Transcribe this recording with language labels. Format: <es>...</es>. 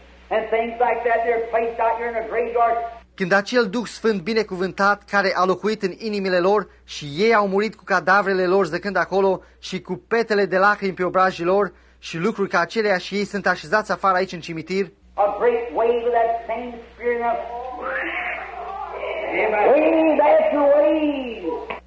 <en>And things like that, they're placed out here in a graveyard.</en> <ro>când acel Duh Sfânt binecuvântat care a locuit în inimile lor și ei au murit cu cadavrele lor zăcând acolo și cu petele de lacrimi pe obrajii lor și lucruri ca acelea și ei sunt așezați afară aici în cimitir.</ro> <en>A great wave of that same spirit of...</en>